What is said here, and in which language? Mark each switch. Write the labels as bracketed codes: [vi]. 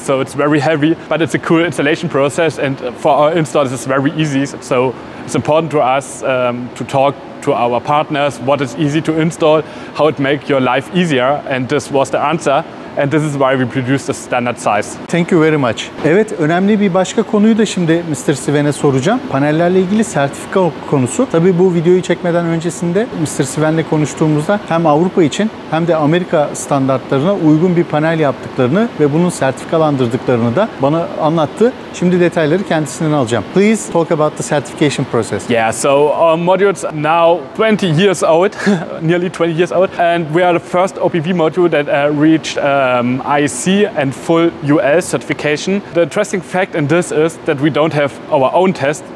[en] So it's very heavy, but it's a cool installation process. And for our installers, it's very easy. So it's important to us to talk to our partners, what is easy to install, how it makes your life easier. And this was the answer. And this is why we produce the standard size. Thank you very much. [tr] Evet, önemli bir başka konuyu da şimdi Mr. Sven'e soracağım. Panellerle ilgili sertifika konusu. Tabii bu videoyu çekmeden öncesinde Mr. Sven'le konuştuğumuzda hem Avrupa için hem de Amerika standartlarına uygun bir panel yaptıklarını ve bunun sertifikalandırdıklarını da bana anlattı. Şimdi detayları kendisinden alacağım. [en] Please talk about the certification process. Yeah, so our modules are now 20 years old, nearly 20 years old, and we are the first OPV module that reached IEC and full UL certification. The interesting fact in this is that we don't have our own test.